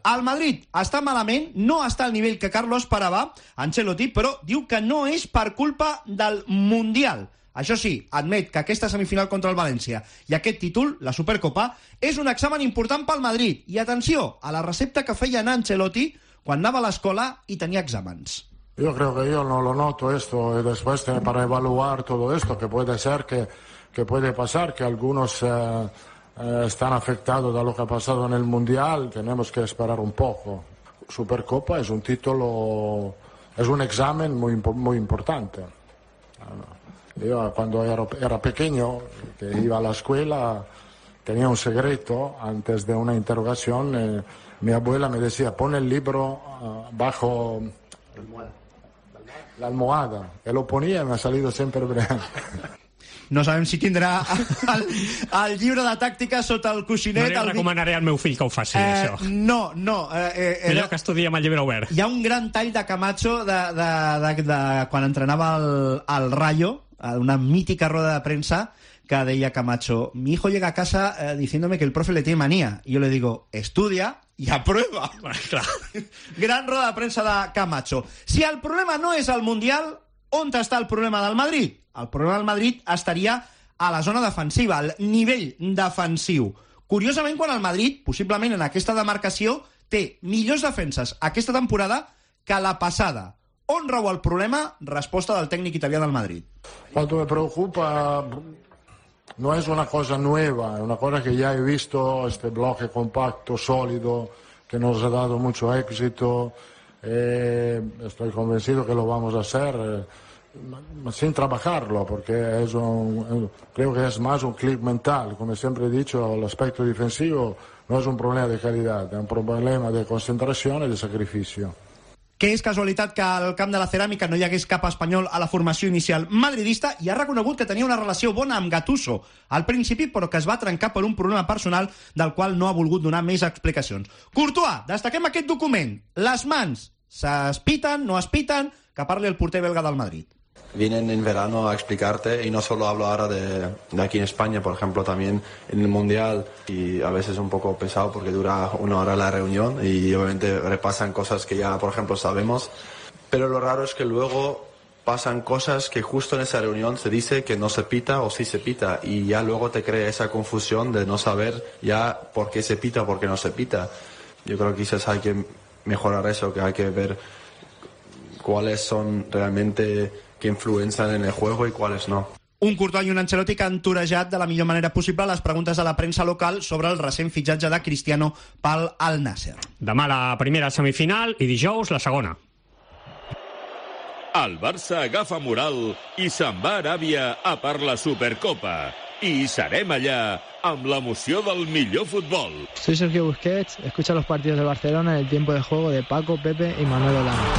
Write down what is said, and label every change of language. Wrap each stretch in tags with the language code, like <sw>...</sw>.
<ca>El Madrid està malament, no està al nivell que Carlo esperava, Ancelotti, però diu que no és per culpa del Mundial. Això sí, admet que aquesta semifinal contra el València i aquest títol, la Supercopa, és un examen important pel Madrid. I atenció a la recepta que feia en Ancelotti quan anava a l'escola i tenia exàmens.</ca> <es>Yo creo que yo no lo noto esto y después para evaluar todo esto que puede ser que puede pasar, que algunos están afectados de lo que ha pasado en el Mundial, tenemos que esperar un poco. Supercopa es un título, es un examen muy, muy importante. Yo cuando era pequeño, que iba a la escuela, tenía un secreto antes de una interrogación. Mi abuela me decía, pon el libro bajo la almohada. Y lo ponía y me ha salido siempre bien.</es> <ca>no sabem si tindrà el llibre de tàctica sota el coixinet. No li recomanaré al meu fill que ho faci, això. No. Millor que estudia amb el llibre obert. Hi ha un gran tall de Camacho de quan entrenava el Rayo, una mítica roda de premsa, que deia Camacho:</ca> <es>mi hijo llega a casa diciéndome que el profe le tiene manía. Y yo le digo: estudia y aprueba. Bueno, claro.</es> <ca>Gran roda de premsa de Camacho. Si el problema no és el Mundial, on està el problema del Madrid? El problema del Madrid estaria a la zona defensiva, al nivell defensiu. Curiosament, quan el Madrid, possiblement en aquesta demarcació, té millors defenses aquesta temporada que la passada. On rau el problema? Resposta del tècnic italià del Madrid.</ca> <es>Cuanto me preocupa, no es una cosa nueva, es una cosa que ya he visto, este bloque compacto, sólido, que nos ha dado mucho éxito. Estoy convencido que lo vamos a hacer sin trabajarlo, porque es creo que es más un clic mental. Como siempre he dicho, el aspecto defensivo no es un problema de calidad, es un problema de concentración y de sacrificio.</es> <ca>Que és casualitat que al camp de la Ceràmica no hi hagués cap espanyol a la formació inicial madridista, i ha reconegut que tenia una relació bona amb Gattuso al principi, però que es va trencar per un problema personal del qual no ha volgut donar més explicacions. Courtois, destaquem aquest document. Les mans s'espiten, no es piten? Que parli el porter belga del Madrid.</ca> <es>Vienen en verano a explicarte, y no solo hablo ahora de aquí en España, por ejemplo, también en el Mundial, y a veces un poco pesado porque dura una hora la reunión y obviamente repasan cosas que ya, por ejemplo, sabemos. Pero lo raro es que luego pasan cosas que justo en esa reunión se dice que no se pita o sí se pita, y ya luego te crea esa confusión de no saber ya por qué se pita o por qué no se pita. Yo creo que quizás hay que mejorar eso, que hay que ver cuáles son realmente que influencen en el juego y cuáles no.</es> <ca>Un Courtois i un Ancelotti que han torejat de la millor manera possible les preguntes de la premsa local sobre el recent fitxatge de Cristiano pel Al Nassr. Demà la primera semifinal i dijous la segona. El Barça agafa moral i se'n va a Aràbia a per la Supercopa. I serem allà amb l'emoció del millor futbol.</ca> <es>Soy Sergio Busquets, escucha los partidos de Barcelona en el tiempo de juego de Paco, Pepe y Manolo Lama.</es>